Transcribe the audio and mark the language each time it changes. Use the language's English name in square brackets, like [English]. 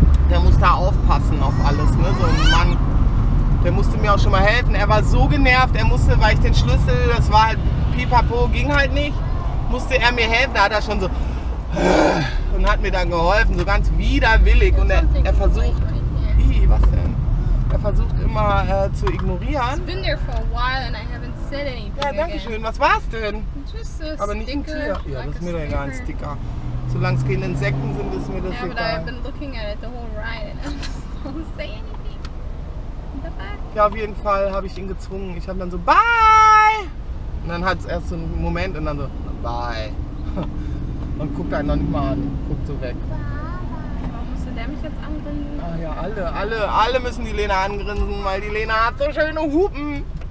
[German] Der muss da aufpassen auf alles, ne? So ein Mann, der musste mir auch schon mal helfen. Er war so genervt, er musste, weil ich den Schlüssel, das war halt pipapo, ging halt nicht, musste er mir helfen. Da hat er schon so und hat mir dann geholfen, so ganz widerwillig. Und er versucht, was denn? Er versucht immer zu ignorieren. [English] I've been there for a while and I haven't said anything. [German] Ja, danke schön. Was war's denn? [English] Just a [German] aber nicht [English] sticker, [German] ein Tier. Ja, das ist mir doch gar ein Sticker. Solange es keine Insekten sind, ist mir das [English] yeah, [German] egal. Ja, [English] I've been looking at it the whole ride and I don't say anything. Bye bye. [German] Ja, auf jeden Fall habe ich ihn gezwungen. Ich habe dann so, bye! Und dann hat es erst so einen Moment und dann so, bye. Und guckt einen noch nicht mal an. Guckt so weg. Bye. Warum musste der mich jetzt angrinsen? Ah ja, alle müssen die Lena angrinsen, weil die Lena hat so schöne Hupen.